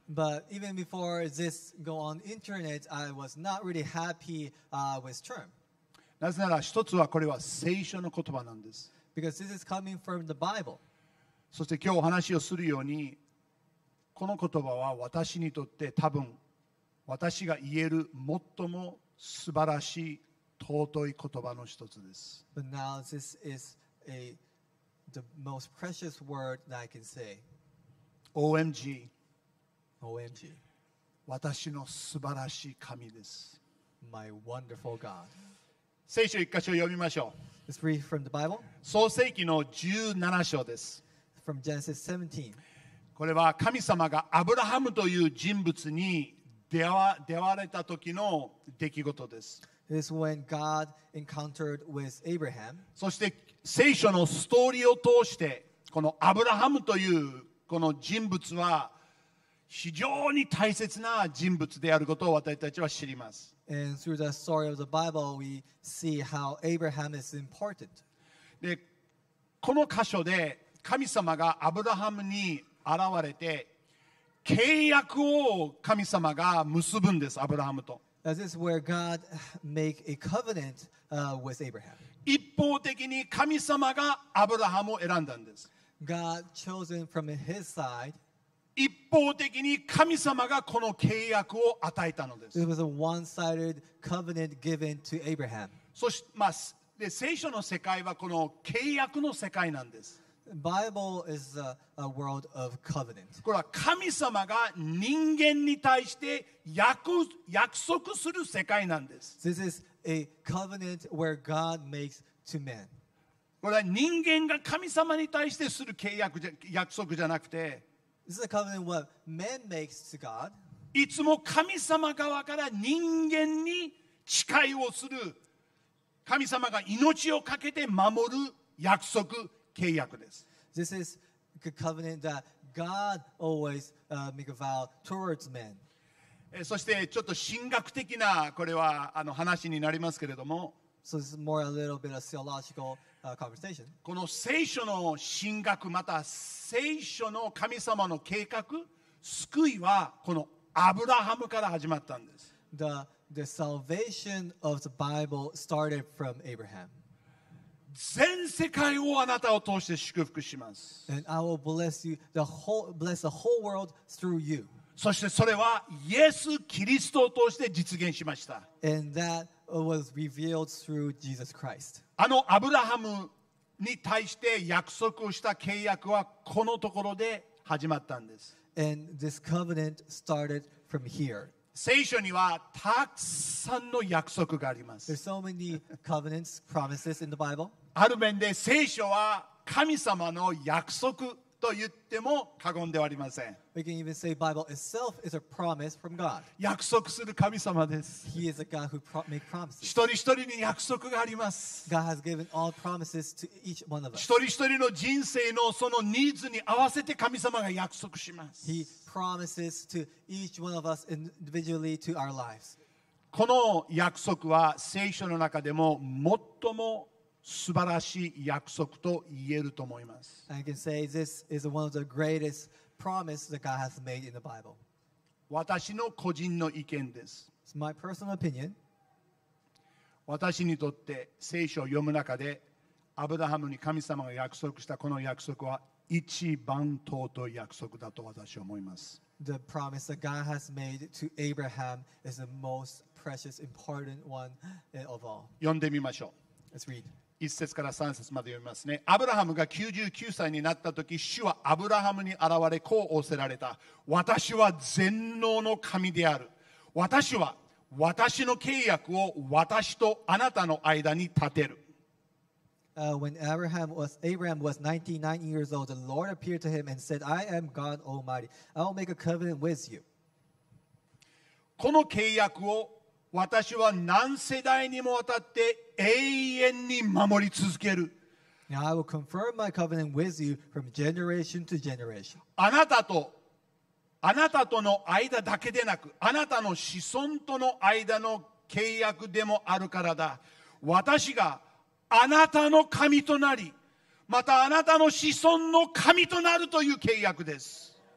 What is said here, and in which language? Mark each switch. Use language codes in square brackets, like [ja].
[en] But even before this go on internet, I was not really happy with term. [ja] なぜなら一つはこれは聖書の言葉なんです。 [en] Because this is coming from the Bible. [ja] そして今日お話をするように、この言葉は私にとって多分私が言える最も素晴らしい尊い言葉の一つです。 [en] But now this is a, the most precious word that I can say. OMG. OMG. [ja] 私の素晴らしい神です。 [en] My wonderful God. [ja] 聖書一箇所読みましょう。 [en] Let's read from the Bible. [ja] 創世記の17章です。 [en] From Genesis 17. [ja] これは神様がアブラハムという人物に出会われた時の出来事です。 [en] This is when God encountered with Abraham. [ja] そして聖書のストーリーを通して、このアブラハムというこの人物は非常に大切な人物であることを私たちは知ります。 [en] And through the story of the Bible, we see how Abraham is important. [ja] で、この箇所で神様がアブラハムに現れて契約を神様が結ぶんです、アブラハムと。 [en] This is where God make a covenant, with Abraham. [ja] 一方的に神様がアブラハムを選んだんです。 [en] God chosen from his side. [ja] 一方的に神様がこの契約を与えたのです。 [en] It was a one-sided covenant given to Abraham. [ja] そして、まあ、で、聖書の世界はこの契約の世界なんです。 [en] Bible is a world of covenant. [ja] これは神様が人間に対して約束する世界なんです。 [en] This is a covenant where God makes to man. [ja] これは人間が神様に対してする契約、約束じゃなくて、 [en] This is a covenant where man makes to God. [ja] いつも神様側から人間に誓いをする、神様が命をかけて守る約束。契約です。 [en] This is a covenant that God always make a vow towards men. [ja] そしてちょっと神学的なこれはあの話になりますけれども、 [en] So this is more a little bit of theological conversation. [ja] この聖書の神学、また聖書の神様の計画、救いはこのアブラハムから始まったんです。 [en] The salvation of the Bible started from Abraham. [ja] 全世界をあなたを通して祝福します。 [en] And I will bless you, bless the whole world through you. [ja] そしてそれはイエス・キリストを通して実現しました。 [en] And that was revealed through Jesus Christ. [ja] あのアブラハムに対して約束をした契約はこのところで始まったんです。 [en] And this covenant started from here. [ja] 聖書にはたくさんの約束があります。 [en] There's so many covenants, promises in the Bible. [ja] ある面で聖書は神様の約束と言っても過言ではありません。 [en] We can even say Bible itself is a promise from God. [ja] 約束する神様です。 [en] He is a God who make promises. [ja] 一人一人に約束があります。 [en] God has given all promises to each one of us. [ja] 一人一人の人生のそのニーズに合わせて神様が約束します。 [en] He promises to each one of us individually to our lives. [ja] この約束は聖書の中でも最も素晴らしい約束と言えると思います。 [en] I can say this is one of the greatest promises that God has made in the Bible. [ja] 私の個人の意見です。 [en] It's my personal opinion. [ja] 私にとって聖書を読む中でアブラハムに神様が約束したこの約束は一番尊い約束だと私は思います。 [en] The promise that God has made to Abraham is the most precious, important one of all. [ja] 読んでみましょう。 [en] Let's read. [ja] 1節から3節まで読みますね。アブラハムが99歳になったとき、主はアブラハムに現れこう仰せられた。私は全能の神である。私は私の契約を私とあなたの間に立てる。 [en] When Abraham was 99 years old, the Lord appeared to him and said, I am God Almighty. I will make a covenant with you. [ja] この契約を私は何世代にもわたって永遠に守り続ける。 [en] Now I will confirm my covenant with you from generation to generation. [ja] あなたとの間だけでなく、あなたの子孫との間の契約でもあるからだ。私があなたの神となり、またあなたの子孫の神となるという契約です。